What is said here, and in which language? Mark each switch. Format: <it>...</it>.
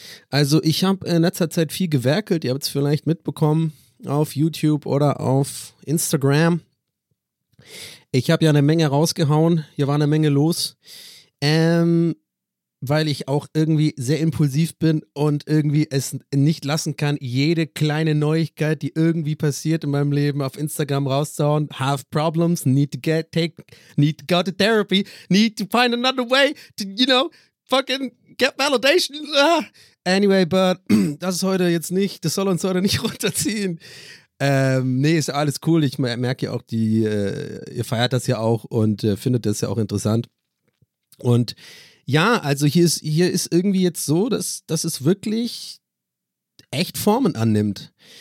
<de>Also ich habe in letzter Zeit viel gewerkelt, ihr habt es vielleicht mitbekommen, auf YouTube oder auf Instagram. Ich habe ja eine Menge rausgehauen, hier war eine Menge los, weil ich auch irgendwie sehr impulsiv bin und irgendwie es nicht lassen kann, jede kleine Neuigkeit, die irgendwie passiert in meinem Leben, auf Instagram rauszuhauen.</de> <en>Have problems, need to go to therapy, need to find another way to, you know, fucking get validation. Anyway, but</en> <de>das ist heute jetzt nicht, das soll uns heute nicht runterziehen. Ist alles cool. Ich merke ja auch, ihr feiert das ja auch und findet das ja auch interessant. Und ja, also hier ist irgendwie jetzt so, dass es wirklich echt Formen annimmt.</de>